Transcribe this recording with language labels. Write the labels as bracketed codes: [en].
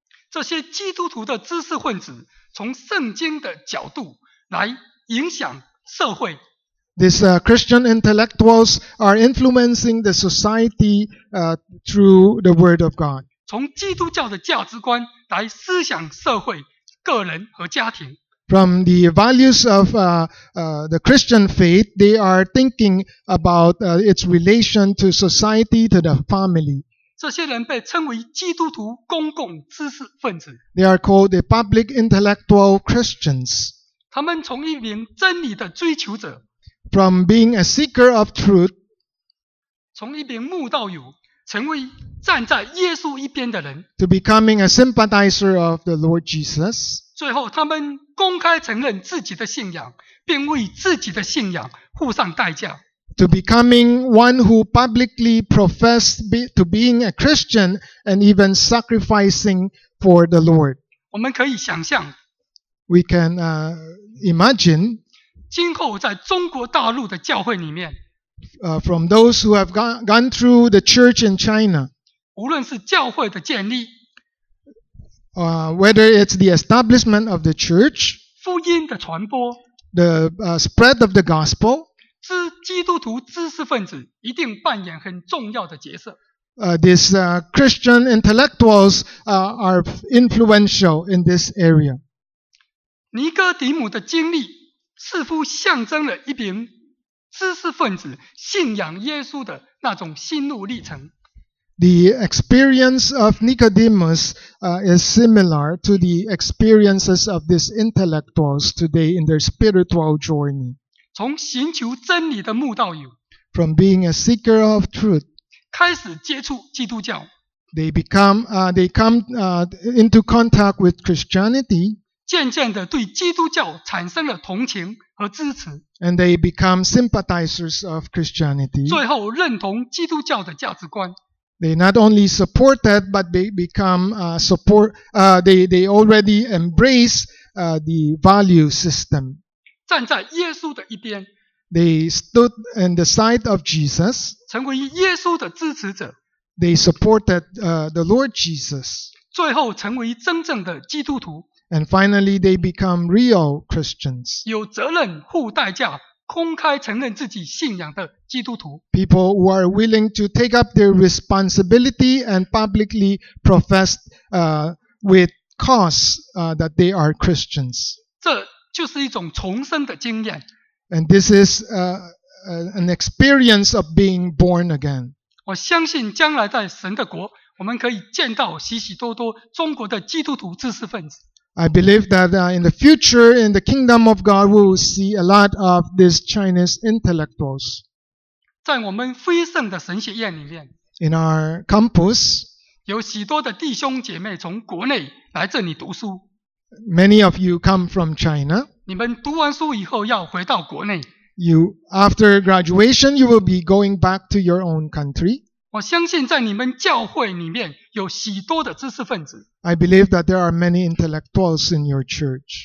[zh] 这些基督徒的知识分子从圣经的角度来影响社会。 [en] These Christian intellectuals are influencing the society through the Word of God. [zh] 从基督教的价值观来思想社会、个人和家庭。 [en] From the values of the Christian faith, they are thinking about its relation to society, to the family. [zh] 这些人被称为基督徒公共知识分子。 [en] They are called the public intellectual Christians. [zh] 他们从一名真理的追求者。 [en] From being a seeker of truth. [zh] 从一名慕道友成为站在耶稣一边的人。 [en] To becoming a sympathizer of the Lord Jesus. [zh] 最后他们公开承认自己的信仰，并为自己的信仰付上代价。 [en] To becoming one who publicly professed to being a Christian and even sacrificing for the Lord. [zh] 我们可以想象。 [en] We can imagine. [zh] 今后在中国大陆的教会里面。 [en] From those who have gone through the church in China. [zh] 无论是教会的建立。 [en] Whether it's the establishment of the church, [zh] 福音的传播, [en] the spread of the gospel, [zh] 基督徒知识分子一定扮演很重要的角色。 [en] These Christian intellectuals are influential in this area. [zh] 尼哥底母的经历似乎象征了一名知识分子信仰耶稣的那种心路历程。 [en] The experience of Nicodemus is similar to the experiences of these intellectuals today in their spiritual journey. [zh] 从寻求真理的慕道友, [en] from being a seeker of truth, [zh] 开始接触基督教, [en] they come into contact with Christianity, [zh] 渐渐地对基督教产生了同情和支持, [en] and they become sympathizers of Christianity, [zh] 最后认同基督教的价值观。 [en] They not only support that, but they become they already embrace the value system. [zh] 站在耶稣的一边。 [en] They stood in the side of Jesus. [zh] 成为耶稣的支持者。 [en] They supported the Lord Jesus. [zh] 最后成为真正的基督徒。 [en] And finally, they become real Christians. [zh] 有责任付代价。公开承认自己信仰的基督徒。 [en] People who are willing to take up their responsibility and publicly profess with cause that they are Christians. [zh] 这就是一种重生的经验。 [en] And this is an experience of being born again. [zh] 我相信将来在神的国，我们可以见到许许多多中国的基督徒知识分子。 [en] I believe that in the future, in the kingdom of God, we will see a lot of these Chinese intellectuals. [zh] 在我们飞盛的神学院里面， [en] in our campus, [zh] 有许多的弟兄姐妹从国内来这里读书。 [en] Many of you come from China. [zh] 你们读完书以后要回到国内。 [en] You, after graduation, you will be going back to your own country. [zh] 我相信在你们教会里面有许多的知识分子。 [en] I believe that there are many intellectuals in your church.